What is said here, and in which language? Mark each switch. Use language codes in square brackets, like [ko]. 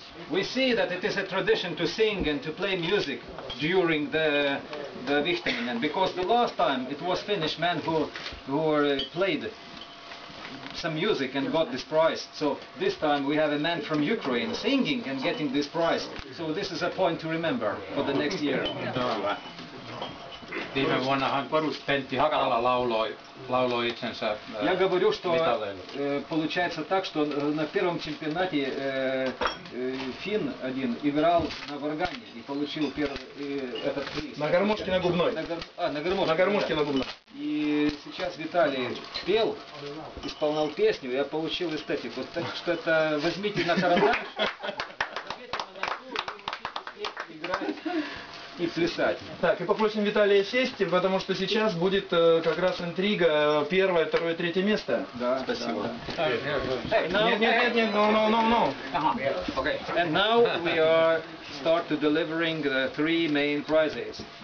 [en] We see that it is a tradition to sing and to play music during the Vihtaminen, because the last time it was Finnish man who played some music and got this prize. So this time we have a man from Ukraine singing and getting this prize. So this is a point to remember for the next year. [fi] Viime vuonnahan Korus Pentti Hakala lauloi itsensä Vitalelle. [ru] Я говорю, что получается так, что на первом чемпионате фин один играл на варгане и получил первый этот приз. На гармошке на губной. На гармошке на губной. И сейчас Виталий пел, исполнял песню, я получил эстетику. Так что это возьмите на карандаш, заметьте на носу и учите играть и плясать. Так, и попросим Виталия сесть, потому что сейчас будет как раз интрига, первое, второе, третье место. Да, спасибо. Нет, [en] Okay. And now we are start to delivering the three main prizes.